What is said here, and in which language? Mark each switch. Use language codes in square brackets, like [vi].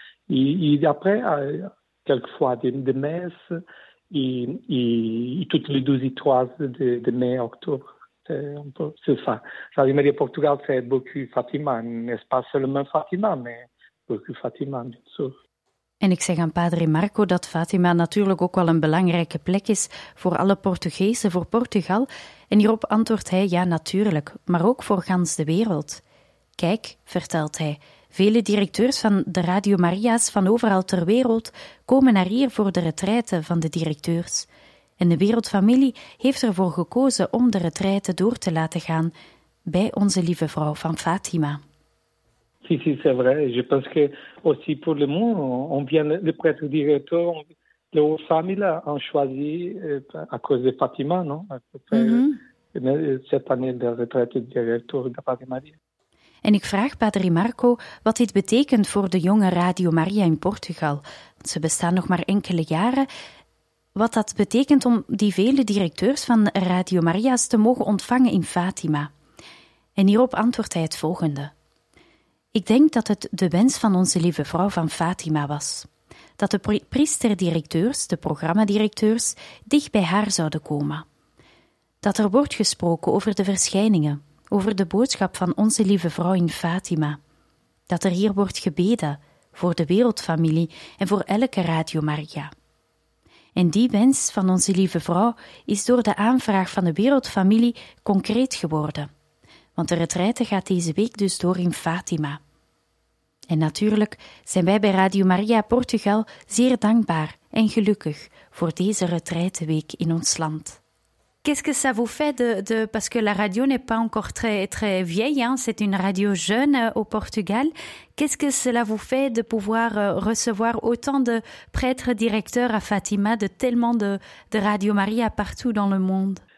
[fr] Et après, quelquefois des messes, et toutes les 12 et 3 de mai, octobre. C'est ça. Salut Maria Portugal, c'est beaucoup Fatima, n'est-ce pas seulement Fatima, mais beaucoup Fatima, bien sûr. [nl] En ik zeg aan Padre Marco dat Fatima natuurlijk ook wel een belangrijke plek is voor alle Portugezen, voor Portugal. En hierop antwoordt hij, ja, natuurlijk, maar ook voor gans de wereld. Kijk, vertelt hij, vele directeurs van de Radio Maria's van overal ter wereld komen naar hier voor de retraite van de directeurs. En de wereldfamilie heeft ervoor gekozen om de retraite door te laten gaan bij onze lieve vrouw van Fatima. [fr] Si, si, c'est vrai. Je pense que aussi pour le monde, on vient le prêtre directeur, la haute famille a choisi à cause de Fatima, non? Cette année de retraite directeur de Padre Maria. [nl] En ik vraag Padre Marco wat dit betekent voor de jonge Radio Maria in Portugal. Ze bestaan nog maar enkele jaren. Wat dat betekent om die vele directeurs van Radio Maria's te mogen ontvangen in Fatima. En hierop antwoordt hij het volgende. Ik denk dat het de wens van onze lieve vrouw van Fatima was. Dat de priesterdirecteurs, de programmadirecteurs, dicht bij haar zouden komen. Dat er wordt gesproken over de verschijningen, over de boodschap van onze lieve vrouw in Fatima. Dat er hier wordt gebeden voor de wereldfamilie en voor elke Radio Maria. En die wens van onze lieve vrouw is door de aanvraag van de wereldfamilie concreet geworden. Want de retraite gaat deze week dus door in Fatima. En natuurlijk zijn wij bij Radio Maria Portugal zeer dankbaar en gelukkig voor deze retraiteweek in ons land. [fr] Qu'est-ce que ça vous fait de parce que la radio n'est pas encore très vieille, hein, c'est une radio jeune au Portugal. Qu'est-ce que cela vous fait de pouvoir recevoir autant de prêtres directeurs à Fatima, de tellement de Radio Maria partout dans le monde?